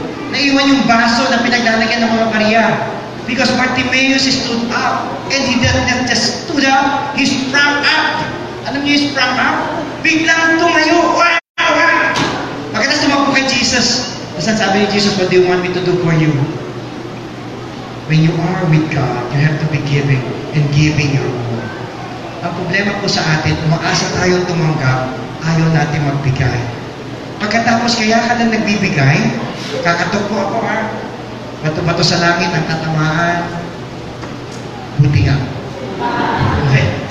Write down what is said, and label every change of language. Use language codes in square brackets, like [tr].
[tl] Naiwan yung baso na pinaglalagyan ng mga Maria. [en] Because Bartimaeus stood up. And he didn't just stood up, he sprang up. [tl] Alam niyo, [en] he sprang up? [tl] Biglang tumayo. [en] Wow! [tl] Pagkatapos tumakbo kay Jesus, nasa sabi ni Jesus, [en] what do you want me to do for you? When you are with God, you have to be giving and giving your all. [tl] Ang problema po sa atin, umaasa tayong tumanggap, ayaw natin magbigay. Pagkatapos, kaya ka lang nagbibigay, kakatukbo ako, ha? Bato-bato sa langit ang katamaan, buti nga. Okay.